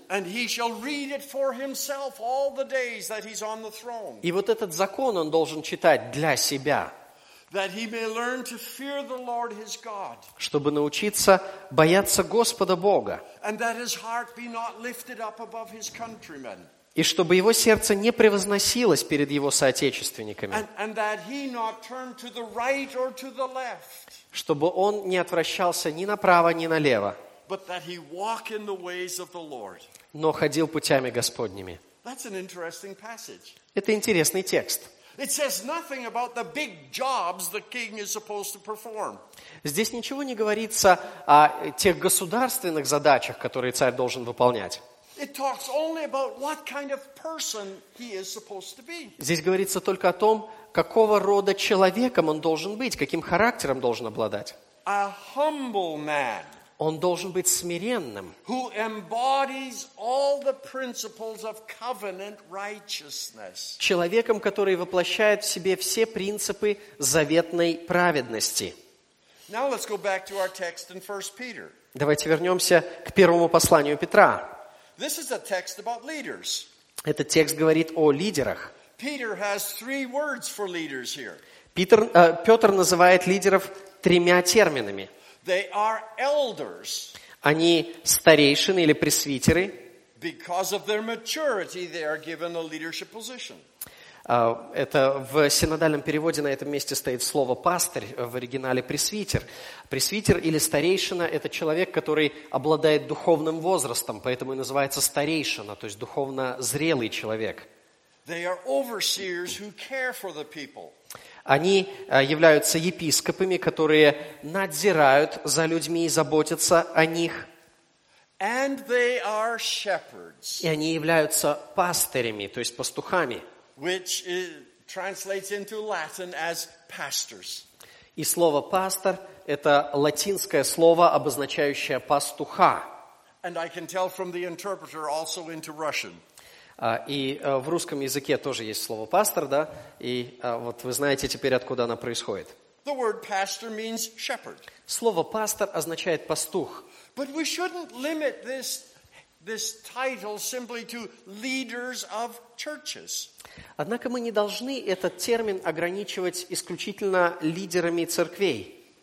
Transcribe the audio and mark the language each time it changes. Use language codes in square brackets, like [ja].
[en] And he shall read it for himself all the days that he's on the throne. [ru] И вот этот закон он должен читать для себя. [en] That he may learn to fear the Lord his God. [ru] Чтобы научиться бояться Господа Бога. [en] And that his heart be not lifted up above his countrymen. [ru] И чтобы его сердце не превозносилось перед его соотечественниками. [en] And that he not turn to the right or to the left. [ru] Чтобы он не отвращался ни направо, ни налево. [en] But that he walk in the ways of the Lord. [ru] Но ходил путями Господними. [en] That's an interesting passage. [ru] Это интересный текст. [en] It says nothing about the big jobs the king is supposed to perform. [ru] Здесь ничего не говорится о тех государственных задачах, которые царь должен выполнять. [en] It talks only about what kind of person he is supposed to be. [ru] Здесь говорится только о том, какого рода человеком он должен быть, каким характером должен обладать. [en] A humble man. [ru] Он должен быть смиренным. [en] Who embodies all the principles of covenant righteousness. [ru] Человеком, который воплощает в себе все принципы заветной праведности. [en] Now let's go back to our text in 1 Peter. [ru] Давайте вернемся к первому посланию Петра. [en] This is a text about leaders. [ru] Этот текст говорит о лидерах. [en] Peter has three words for leaders here. [ru] Петр называет лидеров тремя терминами. [en] They are elders. [ru] Они старейшины или пресвитеры. [en] Because of their maturity, they are given a leadership position. [ru] Это в синодальном переводе на этом месте стоит слово пастырь, в оригинале пресвитер. Пресвитер или старейшина – это человек, который обладает духовным возрастом, поэтому и называется старейшина, то есть духовно зрелый человек. [en] They are overseers who care for the people. [ru] Они являются епископами, которые надзирают за людьми и заботятся о них. [en] And they are shepherds. [ru] И они являются пастырями, то есть пастухами. [en] Which translates into Latin as pastors. [ru] И слово пастор – это латинское слово, обозначающее пастуха. [en] And I can tell from the interpreter also into Russian. [ru] И в русском языке тоже есть слово пастор, да? И вот вы знаете теперь, откуда оно происходит. [en] The word pastor means shepherd. [ru] Слово пастор означает пастух. [en] But we shouldn't limit this title simply to leaders of churches. [ru] Однако мы не должны этот термин ограничивать исключительно лидерами церквей.